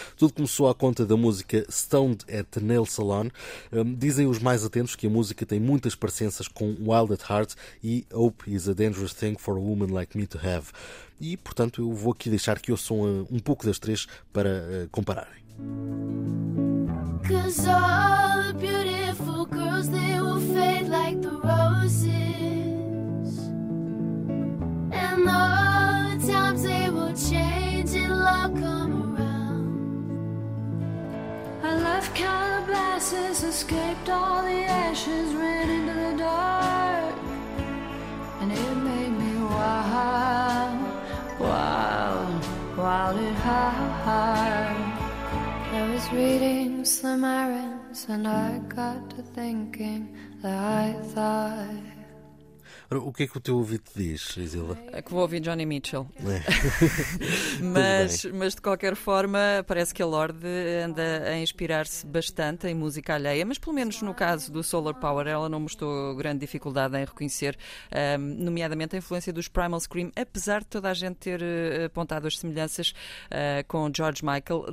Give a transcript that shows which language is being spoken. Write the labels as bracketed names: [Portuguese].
[Portuguese] Tudo começou à conta da música Stoned at Nail Salon. Dizem os mais atentos que a música tem muitas parecenças com Wild at Heart e Hope is a Dangerous Thing for a Woman Like Me to Have. E, portanto, eu vou aqui deixar que ouçam um pouco das três para compararem. [English] Cause all the beautiful girls, they will fade like the roses. And all the times they will change, it'll all come around. I left Calabasas, escaped all the ashes, ran into the dark. And it made me wild, wild, wild at heart. I was reading Slim Irons and I got to thinking that I thought. [Portuguese] O que é que o teu ouvido diz, Isilda? É que vou ouvir Johnny Mitchell. É. mas de qualquer forma, parece que a Lorde anda a inspirar-se bastante em música alheia, mas pelo menos no caso do Solar Power, ela não mostrou grande dificuldade em reconhecer, nomeadamente, a influência dos Primal Scream, apesar de toda a gente ter apontado as semelhanças com George Michael.